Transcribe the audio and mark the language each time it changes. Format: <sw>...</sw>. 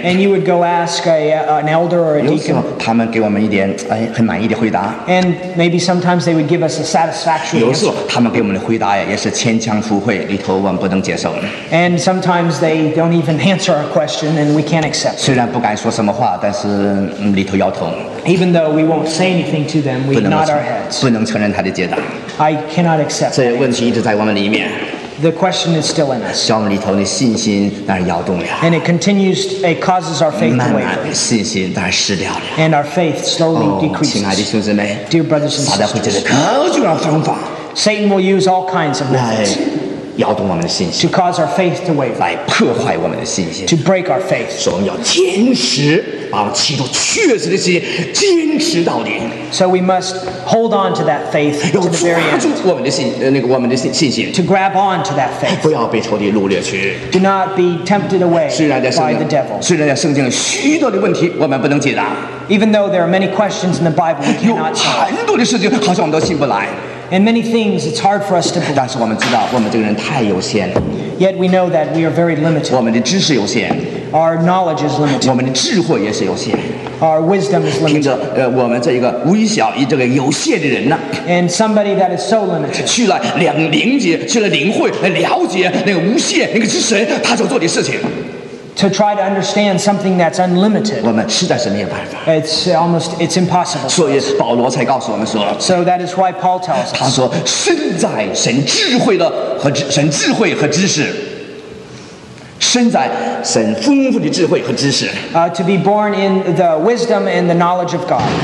<en>And you would go ask an elder or a deacon.</en> <zh>有时候他们给我们一点哎很满意的回答。</zh> <en>And maybe sometimes they would give us a satisfactory answer.</en> <zh>有时候他们给我们的回答呀也是牵强附会，里头我们不能接受。</zh> <en>And sometimes they don't even answer our question, and we can't accept.</en> <zh>虽然不敢说什么话，但是里头摇头。</zh> <en>Even though we won't say anything to them, we nod our heads.</en> <zh>不能承认他的解答。</zh> <en>I cannot accept.</en> <zh>这些问题一直在我们里面。</zh> <en>The question is still in us.</en> <zh>我们里头的信心当然摇动了。</zh> <en>And it continues. It causes our faith to waver.</en> <zh>慢慢的信心当然失掉了。</zh> <en>And our faith slowly decreases.</en> <zh>亲爱的兄弟们</zh> <en>，Dear brothers and sisters,</en> <zh>撒旦会借着各种的方法</zh> <en>，Satan will use all kinds of methods.</en> <zh>摇动我们的信心</zh> <en>，to cause our faith to waver.</en> <zh>来破坏我们的信心</zh> <en>，to break our faith.</en> <zh>所以我们要坚持。把我们基督确实的心坚持到底。</zh> <en>So we must hold on to that faith to the very end.</en> <zh>要抓住我们的信，那个我们的信心。</zh> <en>To grab on to that faith.</en> <zh>不要被仇敌掳掠去。</zh> <en>Do not be tempted away by the devil.</en> <zh>虽然在圣经里许多的问题我们不能解答。</zh> <en>Even though there are many questions in the Bible we cannot solve.</en> <zh>有很多的事情好像我们都信不来。</zh> <en>And many things it's hard for us to believe.</en> <zh>但是我们知道我们这个人太有限。</zh> <en>Yet we know that we are very limited.</en> <zh>我们的知识有限。</zh> <en>Our knowledge is limited.</en> <zh>我们的智慧也是有限。</zh> <en>Our wisdom is limited.</en> <zh>凭着我们这一个微小、这个有限的人呢、啊。</zh> <en>And somebody that is so limited.</en> <zh>去了领会来了解那个无限那个是神他所做的事情。</zh> <en>To try to understand something that's unlimited.</en> <zh>我们实在是没有办法。</zh> <en>It's impossible.</en> <zh>所以保罗才告诉我们说。</zh> <en>So that is why Paul tells us.</en> <zh>他说：“身在神智慧的和神智慧和知识。” 身在神丰富的智慧和知识。</zh> <en>To be born in the wisdom and the knowledge of God.</en>